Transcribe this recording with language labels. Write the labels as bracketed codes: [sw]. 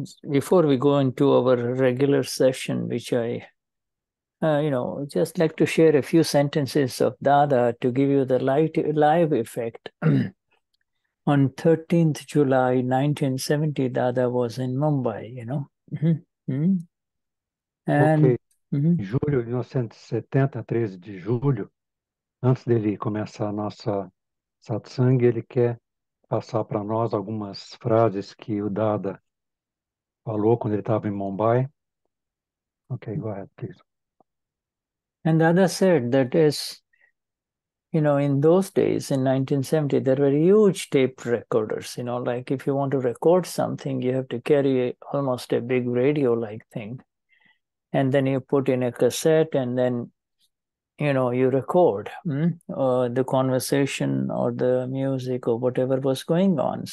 [en] Before we go into our regular session, which I, you know, just like to share a few sentences of Dada to give you the light live effect. On 13th July 1970, Dada was in Mumbai, you know. And okay. [pt] Em julho de 1970, 13 de julho, antes dele começar a nossa satsang, ele quer passar para nós algumas frases que o Dada falou quando ele estava em Mumbai. [en] Okay, go ahead, please. And Dada said that is, you know, in those days in 1970, there were huge tape recorders, you know, like if you want to record something, you have to carry almost a big radio like thing. And then you put in a cassette and then, you know, you record the conversation or the music or whatever was going on.